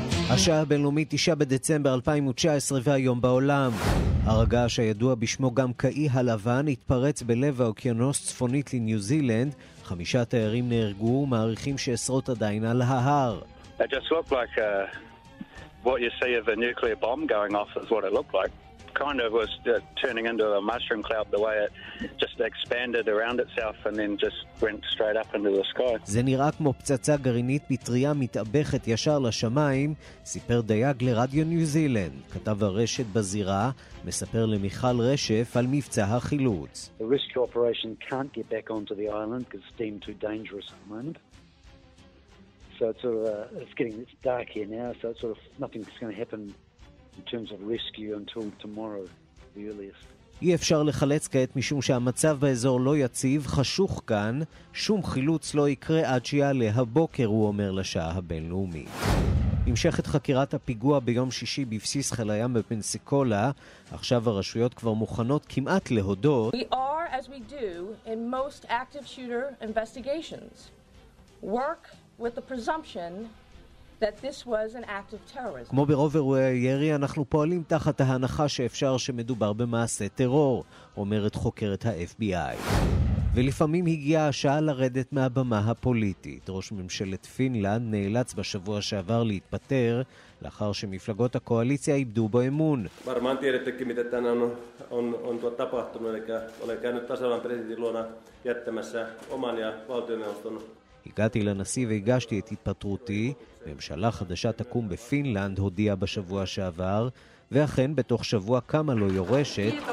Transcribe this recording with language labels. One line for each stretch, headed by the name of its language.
Hebrew: השעה הבינלאומית 9 בדצמבר 2019 והיום בעולם. הרגש הידוע בשמו גם קאי הלבן התפרץ בלב האוקיינוס צפונית לניו זילנד. 5 תיירים נהרגו ומעריכים שעשרות עדיין על ההר.
English: It just looked like what you see of a nuclear bomb going off is what it looked like. Kind of was turning into a mushroom cloud the way it just expanded around itself and then just went straight up into the sky.
Hebrew: זה נראה כמו פצצה גרעינית פטריה מתאבכת ישר לשמיים, סיפר דייג לרדיו ניו זילנד. כתב הרשת בזירה מספר למיכל רשף על מבצע החילוץ.
English: The rescue operation can't get back onto the island because it's deemed too dangerous at the moment. So it's dark here now, so it's sort of nothing's going to happen. In terms of rescue until tomorrow, the earliest.
Hebrew: אי אפשר לחלץ כעת משום שהמצב באזור לא יציב, חשוך כאן, שום חילוץ לא יקרה עד שיעלה הבוקר, הוא אומר לשעה הבינלאומי. המשכת חקירת הפיגוע ביום שישי בבסיס חיל הים בפנסיקולה, עכשיו הרשויות כבר מוכנות כמעט להודות.
English: We are, as we do, in most active shooter investigations, work with the presumption that this was an act of terrorism.
Hebrew: כמו ברוב אירועי הירי, אנחנו פועלים תחת ההנחה שאפשר שמדובר במעשה טרור, אומרת חוקרת ה-FBI. ולפעמים הגיעה השעה לרדת מהבמה הפוליטית. ראש ממשלת פינלנד נאלץ בשבוע שעבר להתפטר, לאחר שמפלגות הקואליציה איבדו בו אמון.
Finnish: Varmaan tiedättekin, mitä tänään on tapahtunut, eli olen käynyt tasavallan presidentin luona jättämässä oman ja valtioneuvoston.
Hebrew: הגעתי לנשיא והגשתי את התפטרותי. ממשלה חדשה תקום בפינלנד, הודיע בשבוע שעבר, ואכן בתוך שבוע קמה לו יורשת.